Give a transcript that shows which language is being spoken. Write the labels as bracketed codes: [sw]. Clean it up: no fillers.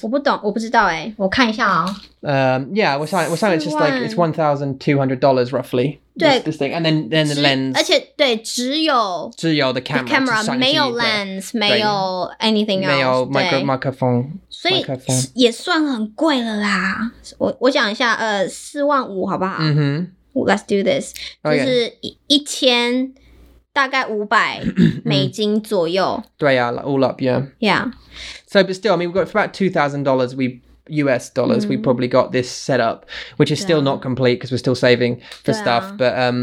[zh] 我不懂,我不知道诶, 我看一下哦。 [en] Yeah, we're saying it's just like, it's $1,200 roughly. [zh] 对, [en] this thing, and then the lens. [zh] 而且对，只有 [en] the camera, [zh] 没有 lens, 没有 [en] anything else. [zh] 没有 microphone. 所以也算很贵了啦。我讲一下，四万五好不好？ Mm-hmm. [en] Let's do this. [zh] 就是一千大概500美金左右。对呀, [en] like all up, yeah. Yeah. So, but still, I mean, we've got for about $2,000. US dollars we probably got this set up which is still not complete because we're still saving for stuff but